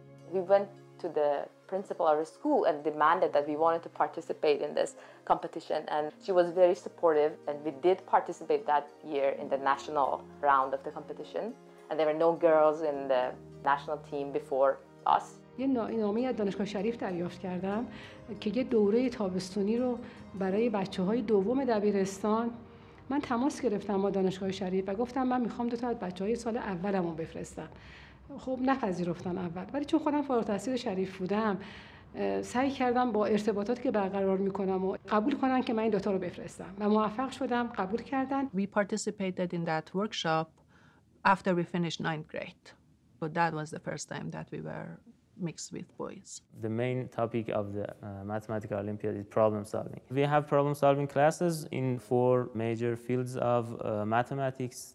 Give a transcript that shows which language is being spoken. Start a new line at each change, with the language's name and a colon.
English: We went to the principal of our school and demanded that we wanted to participate in this competition. And she was very supportive. And we did participate that year in the national round of the competition. And there were no girls in the national team before us.
Persian: یه نامه از دانشگاه شریف دریافت کردم که یه دوره تابستونی رو برای بچه‌های دوم دبیرستان من تماس گرفتم با دانشگاه شریف و گفتم من می‌خوام دو تا از بچه‌های سال اولمو بفرستم. خب نپذیرفتن اول، ولی چون خودم فارغ التحصیل شریف بودم سعی کردم با ارتباطاتی که برقرار می‌کنم و قبول کنن که من این دو تا رو بفرستم و موفق شدم، قبول کردن.
English: We participated in that workshop after we finished ninth grade. But that was the first time that we were mixed with boys. The main topic of the Mathematical Olympiad is problem solving. We have problem solving classes in four major fields of mathematics.